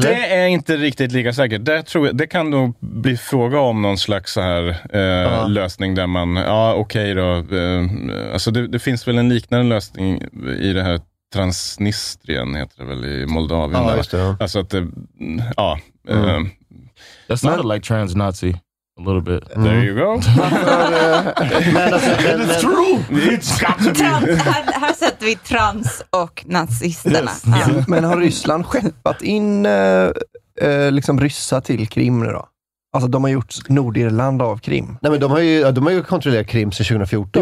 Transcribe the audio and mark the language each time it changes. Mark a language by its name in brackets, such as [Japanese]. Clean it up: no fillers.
[Swedish] Det är inte riktigt lika säkert. Det kan nog bli fråga om någon slags så här lösning där man, ja okej okay då, alltså det finns väl en liknande lösning i det här Transnistrien heter det väl i Moldavien. Ja, just det. Ja. Alltså att ja. [English] That's not like trans-Nazi a little bit. Mm. There you go. It's true. It's got to be. [Swedish] Här sätter vi trans och nazisterna. [English] Yes. [Swedish] Ja. Men har Ryssland skeppat in liksom ryssa till Krim nu då? Alltså de har gjort Nordirland av Krim. Nej, men de har ju kontrollerat Krim sedan 2014.